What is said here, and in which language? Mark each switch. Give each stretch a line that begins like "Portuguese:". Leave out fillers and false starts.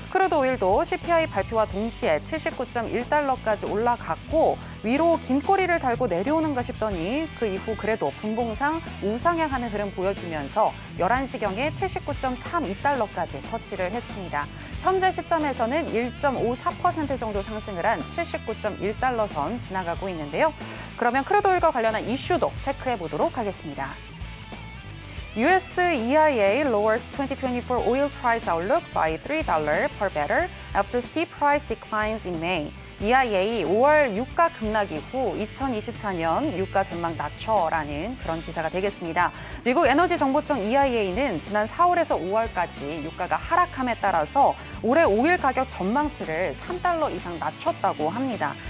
Korean: 크루드 오일도 CPI 발표와 동시에 79.1달러까지 올라갔고 위로 긴 꼬리를 달고 내려오는가 싶더니 그 이후 그래도 분봉상 우상향하는 흐름 보여주면서 11시경에 79.32달러까지 터치를 했습니다. 현재 시점에서는 1.54% 정도 상승을 한 79.1달러 선 지나가고 있는데요. 그러면 크루드 오일과 관련한 이슈도 체크해보도록 하겠습니다.
English: US EIA lowers 2024 oil price outlook by $3 per barrel after steep price declines in May.
Korean: EIA 5월 유가 급락 이후 2024년 유가 전망 낮춰라는 그런 기사가 되겠습니다. 미국 에너지 정보청 EIA는 지난 4월에서 5월까지 유가가 하락함에 따라서 올해 오일 가격 전망치를 $3 이상 낮췄다고 합니다.